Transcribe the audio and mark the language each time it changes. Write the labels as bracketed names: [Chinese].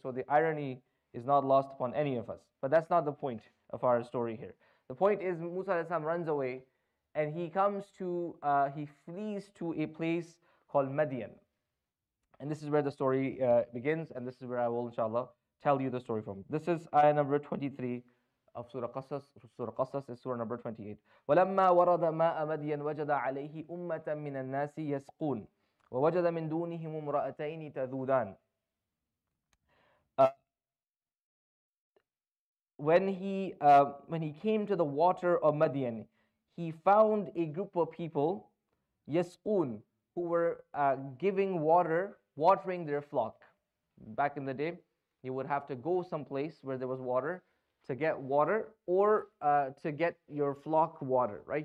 [English] So the irony is not lost upon any of us. But that's not the point of our story here. The point is Musa alayhi salam runs away, and he comes to, he flees to a place called Madian. And this is where the story begins, and this is where I will, inshallah, tell you the story from. This is ayah number 23. Of Surah Qasas. Surah Qasas is Surah number 28. [Arabic] ولما ورد ماء مدين وجد عليه أمة من الناس يسقون ووجد من دونهم امرأتين تذودان. [English] When he came to the water of Madian, he found a group of people, يسقون, who were giving water, watering their flock. Back in the day, you would have to go someplace where there was water to get water, or to get your flock water, right?